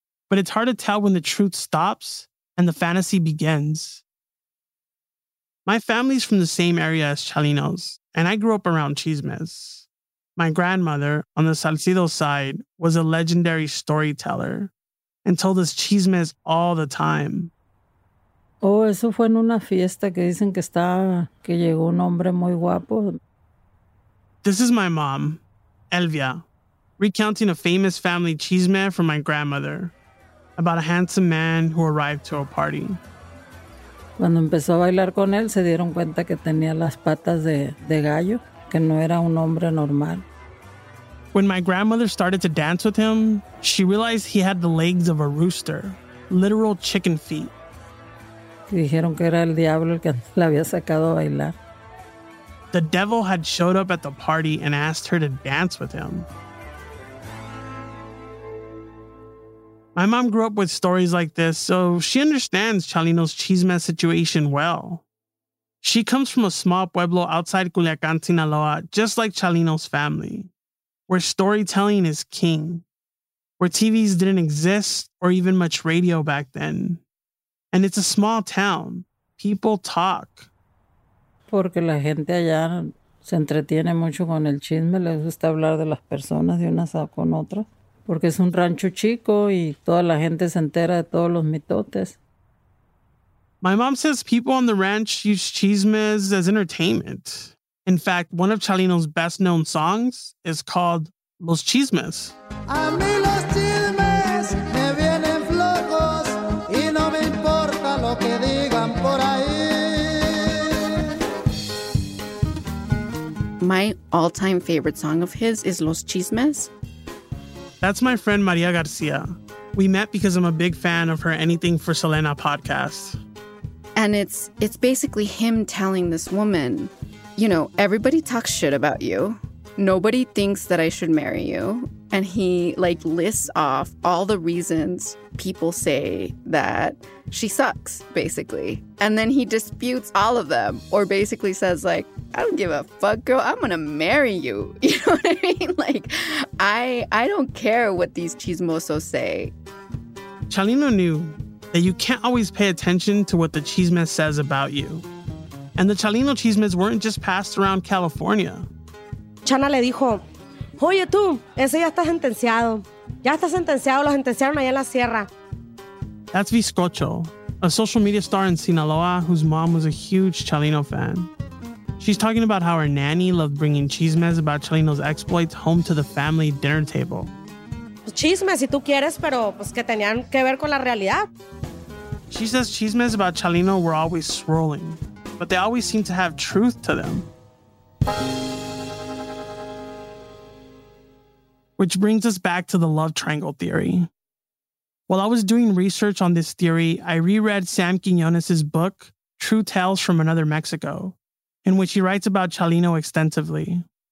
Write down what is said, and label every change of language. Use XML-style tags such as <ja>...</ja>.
<en>But it's hard to tell when the truth stops and the fantasy begins. My family's from the same area as Chalino's, and I grew up around chismes. My grandmother, on the Salcido side, was a legendary storyteller and told us chismes all the time.</en> <es>Oh, eso fue en una fiesta que dicen que estaba, que llegó un hombre muy guapo.</es> <en>This is my mom, Elvia, recounting a famous family chisme from my grandmother about a handsome man who arrived to a party.</en> <es>Cuando empezó a bailar con él, se dieron cuenta que tenía las patas de gallo, que no era un hombre normal.</es> <en>When my grandmother started to dance with him, she realized he had the legs of a rooster, literal chicken feet.</en> <es>Dijeron que era el diablo el que la había sacado a bailar.</es> <en>The devil had showed up at the party and asked her to dance with him. My mom grew up with stories like this, so she understands Chalino's chisme situation well. She comes from a small pueblo outside Culiacán, Sinaloa, just like Chalino's family, where storytelling is king, where TVs didn't exist or even much radio back then. And it's a small town. People talk.</en> <es>Porque la gente allá se entretiene mucho con el chisme, les gusta hablar de las personas de unas a con otras. Porque es un rancho chico y toda la gente se entera de todos los mitotes.</es> <en>My mom says people on the ranch use chismes as entertainment. In fact, one of Chalino's best known songs is called Los Chismes.</en> <es>A mí los chismes me vienen flojos y no me importa lo que digan por ahí.</es> <en>My all-time favorite song of his is Los Chismes. That's my friend Maria Garcia. We met because I'm a big fan of her Anything for Selena podcast. And it's basically him telling this woman, you know, everybody talks shit about you. Nobody thinks that I should marry you. And he like lists off all the reasons people say that she sucks, basically. And then he disputes all of them, or basically says like, I don't give a fuck, girl, I'm gonna marry you. You know what I mean? Like, I don't care what these chismosos say. Chalino knew that you can't always pay attention to what the chisme says about you. And the Chalino chismes weren't just passed around California.</en> <es>Chana le dijo, oye tú, ese ya está sentenciado. Ya está sentenciado, lo sentenciaron allá en la sierra.</es> <en>That's Viscocho, a social media star in Sinaloa whose mom was a huge Chalino fan. She's talking about how her nanny loved bringing chismes about Chalino's exploits home to the family dinner table.</en> <es>Chismes, si tú quieres, pero pues que tenían que ver con la realidad.</es> <en>She says chismes about Chalino were always swirling, but they always seemed to have truth to them. Which brings us back to the love triangle theory. While I was doing research on this theory, I reread Sam Quiñones' book, True Tales from Another Mexico, in which he writes about Chalino extensively.</en>